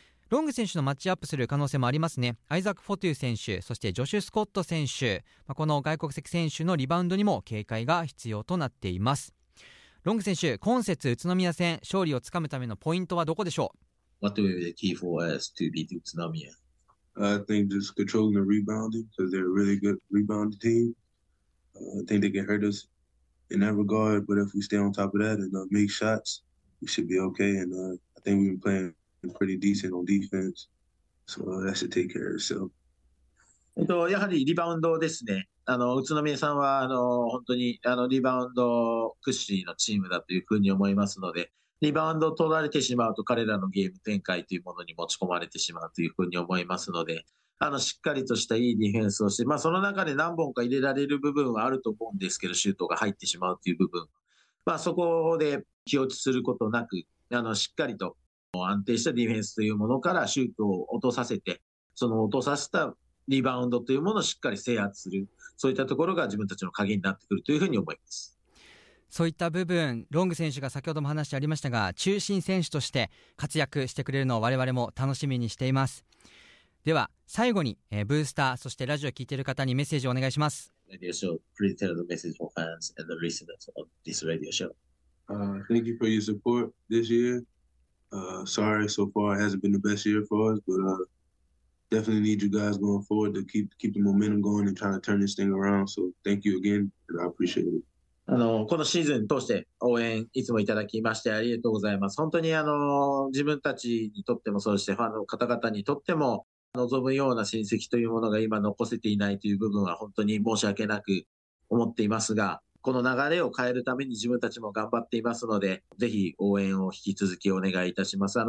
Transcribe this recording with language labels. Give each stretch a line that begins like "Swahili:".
Japanese: ロング選手のマッチアップする可能性もありますね。アイザック・フォトゥ選手、そしてジョシュ・スコット選手、この外国籍選手のリバウンドにも警戒が必要となっています。ロング選手、今節宇都宮戦勝利をつかむためのポイントはどこでしょう？
English: What will be the key for us to beat 宇都宮? I think just controlling the rebounding, because they're a really good rebounding team. I think they can hurt us in that regard, but if we stay on top of that and make shots, we should be okay. And I think we've been playingPretty decent on defense, so that should take care of itself.
Japanese: やはりリバウンドですね。宇都宮さんは本当にリバウンド屈指のチームだというふうに思いますので、リバウンドを取られてしまうと彼らのゲーム展開というものに持ち込まれてしまうというふうに思いますので、しっかりとしたいいディフェンスをして、まあ、その中で何本か入れられる部分はあると思うんですけど、シュートが入ってしまうという部分、まあ、そこで気落ちすることなく、しっかりと安定したディフェンスというものからシュートを落とさせて、その落とさせたリバウンドというものをしっかり制圧する、そういったところが自分たちの鍵になってくるというふうに思います。そういった部分、ロング選手が先ほども話してありましたが、中心選手として活躍してくれるのを我々も楽しみにしています。では最後に、ブースター、そしてラジオを聞いている方にメッセージをお願いします。
English: ラジオショー、プリテルのメッセージをファンスとリスナーズのディスラジオショー、 Thank you for your support this yearSorry, so far it hasn't been the best year for us, but definitely need you guys going forward to keep the momentum going and trying to turn this thing around. So thank you again, and I appreciate it.
Japanese: このシーズン通して応援いつもいただきましてありがとうございます。本当に自分たちにとっても、そしてファンの方々にとっても、望むような成績というものが今残せていないという部分は本当に申し訳なく思っていますが、この流れを変えるために自分たちも頑張っていますので、ぜひ応援を引き続きお願いいたします。